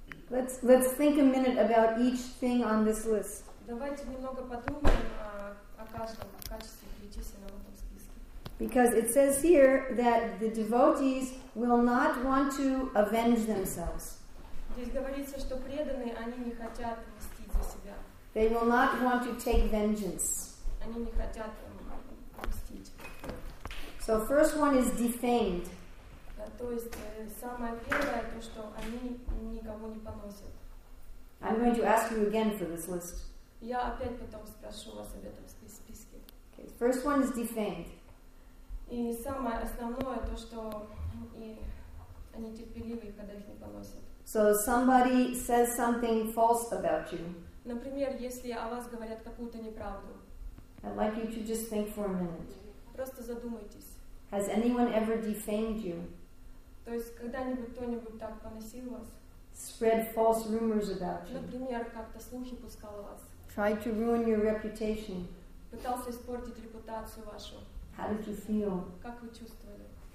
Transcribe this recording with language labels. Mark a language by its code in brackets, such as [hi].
[en] Let's think a minute about each thing on this list. [ru] Давайте немного подумаем о каждом качестве, перечисленном в этом списке. [en] Because it says here that the devotees will not want to avenge themselves. [ru] Здесь говорится, что преданные, они не хотят мстить за себя. [en] They will not want to take vengeance. [ru] Они не хотят мстить. [en] So first one is defamed. [ru] То есть самое первое, то что они никому не поносят. [en] I'm going to ask you again for this list. [ru] Я опять потом спрошу вас об этом списке. [en] Okay, first one is defamed. [ru] И самое основное то, что и Они терпеливые, когда их не поносят. [en] So somebody says something false about you. [ru] Например, если о вас говорят какую-то неправду. [en] I'd like you to just think for a minute. [ru] Просто задумайтесь. [en] Has anyone ever defamed you? [ru] То есть когда-нибудь кто-нибудь так поносил вас? [en] Spread false rumors about you. [ru] Например, как-то слухи пускал о вас. [en] Tried to ruin your reputation. [ru] Пытался испортить репутацию вашу. [en] How did you feel? [ru] Как вы чувствовали?